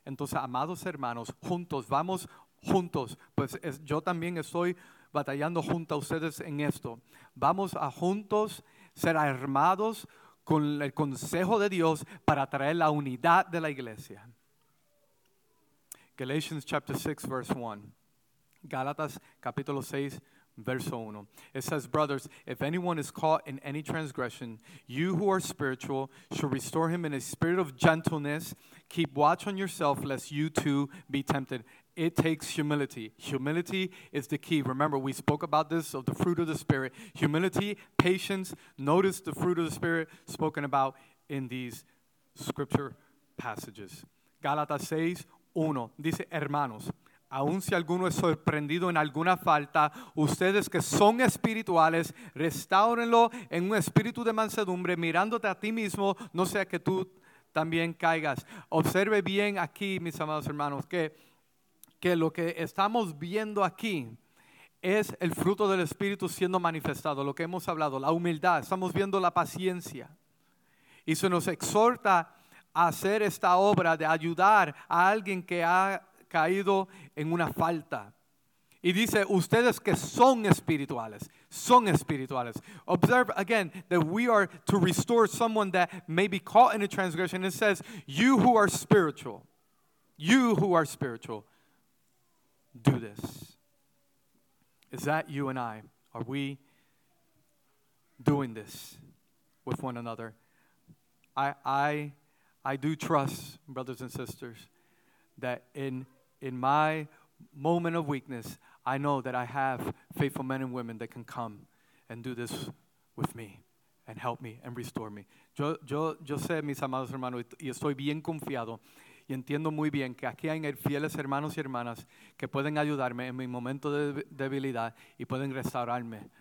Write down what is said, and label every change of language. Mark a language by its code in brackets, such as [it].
[es] Entonces, amados hermanos, juntos, vamos juntos. Pues es, yo también estoy batallando junto a ustedes en esto. Vamos a juntos ser armados con el consejo de Dios para traer la unidad de la iglesia. [en] Galatians chapter 6, verse 1. [es] Gálatas capítulo 6, verso 1. [en] It says, brothers, if anyone is caught in any transgression, you who are spiritual should restore him in a spirit of gentleness. Keep watch on yourself, lest you too be tempted. It takes humility. Humility is the key. Remember, we spoke about this, of the fruit of the Spirit. Humility, patience, notice the fruit of the Spirit spoken about in these scripture passages. [es] Gálatas 6, 1. Dice, hermanos, aun si alguno es sorprendido en alguna falta, ustedes que son espirituales, restáurenlo en un espíritu de mansedumbre, mirándote a ti mismo, no sea que tú también caigas. Observe bien aquí, mis amados hermanos, que lo que estamos viendo aquí es el fruto del Espíritu siendo manifestado, lo que hemos hablado, la humildad. Estamos viendo la paciencia. Y se nos exhorta a hacer esta obra de ayudar a alguien que ha caído en una falta. Y dice, ustedes que son espirituales, son espirituales. [en] Observe again that we are to restore someone that may be caught in a transgression. It says, you who are spiritual, you who are spiritual, do this. Is that you and I? Are we doing this with one another? I do trust, brothers and sisters, that in my moment of weakness, I know that I have faithful men and women that can come and do this with me and help me and restore me. [es] Yo sé, mis amados hermanos, y estoy bien confiado y entiendo muy bien que aquí hay fieles hermanos y hermanas que pueden ayudarme en mi momento de debilidad y pueden restaurarme.